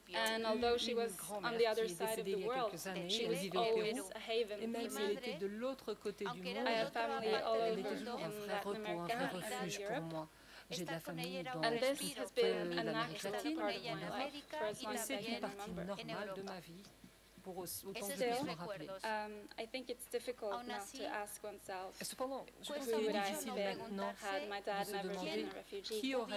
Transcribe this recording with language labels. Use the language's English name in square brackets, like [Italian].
[English] And although she was on the other side of the world, she was always a haven for me. I have family all over Latin America and Europe. [French] J'ai de la famille dans l'Amérique latine, en Europe, et c'est une partie normale de ma vie. [English] I think it's difficult not to ask oneself, had my dad never been a refugee?